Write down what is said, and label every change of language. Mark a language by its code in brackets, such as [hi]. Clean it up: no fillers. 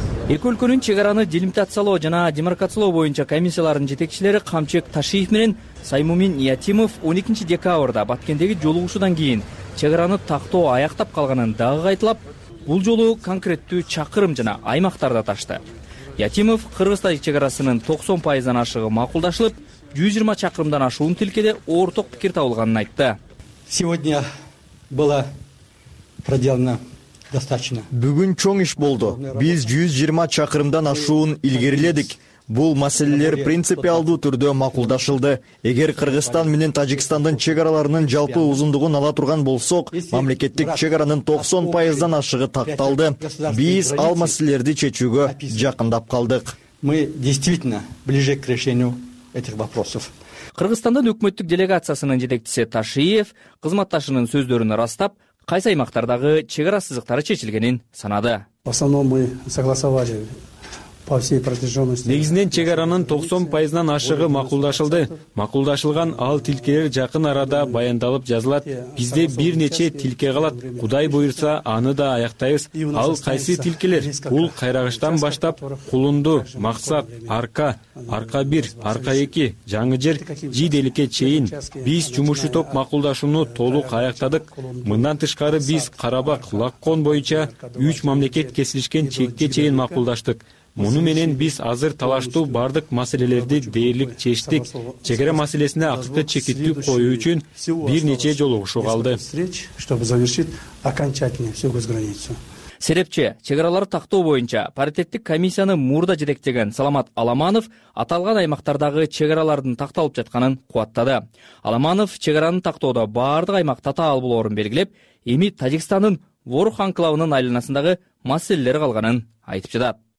[ky] Эки өлкөнүн чек араны делимитациялоо жана демаркациялоо боюнча комиссиялардын жетекчилери Камчыбек Ташиев менен Саймумин Ятимов 12 декабрда Баткендеги жолугушуудан кийин чек араны тактоо аяктап калганын дагы кайтылап, бул жолу конкреттүү чакырым жана аймактарды аташты. Ятимов Кыргыз Тажик чек арасынын 90% ашыгы макулдашылып 120 чакырымдан ашуун тилкеде орток пикир табылганын айтты. [ru] Сегодня было проделано достаточно. [ky] Бүгүн чоң иш болду. Биз 120 чакырымдан ашуун илгериледик. Бул маселелер принципиалдуу түрдө макулдашылды. Эгер Кыргызстан менен Тажикстандын чек араларынын жалпы узундугун ала турган болсок, мамлекеттик чек аранын 90% ашыгы такталды. Биз ал маселелерди чечүүгө жакындап калдык. [ru] Мы действительно ближе к решению этих вопросов. [ky] Кыргызстандын өкмөттүк делегациясынын жетекчиси Ташиев кызматташынын сөздөрүн ырастап, кайсы аймактардагы чек ара сызыктары чечилгенин санады. [ru] В основном мы согласовали [ky] Негизинен чек аранын 90% ашыгы макулдашылды. Макулдашылган ал тилкелер жакын арада баяндалып жазылат. Бизде бир нече тилке калат. Кудай буйурса, аны да аяктайбыз. Ал кайсы тилкелер? Бул кайрагыштан баштап, кулунду, максат, арка, арка 1, арка 2, жаңы жер, жиделике чейин. Биз жумушчу топ макулдашууну толук аяктадык. Мындан тышкары биз Карабак, Лаккон боюнча 3 мамлекет кесилишкен чекке чейин макулдаштык. Муну менен биз азыр талаштуу бардык маселелерди дээрлик чечтик. Чек ара маселесине акыты чекитип коюу үчүн бир нече жолугушуу калды. [ru] Чтобы завершить окончательно всю границу. [ky] Серепче, чек аралары тактоо боюнча паритеттик комиссияны мурда жетектеген Саламат Аламанов аталган аймактардагы чек аралардын такталып жатканын кубаттады. Аламанов чек араны тактоодо бардык аймак татаал болорун белгилеп, эми Тажикстандын Ворох анклавынын айланасындагы маселелер калганын айтып жатат.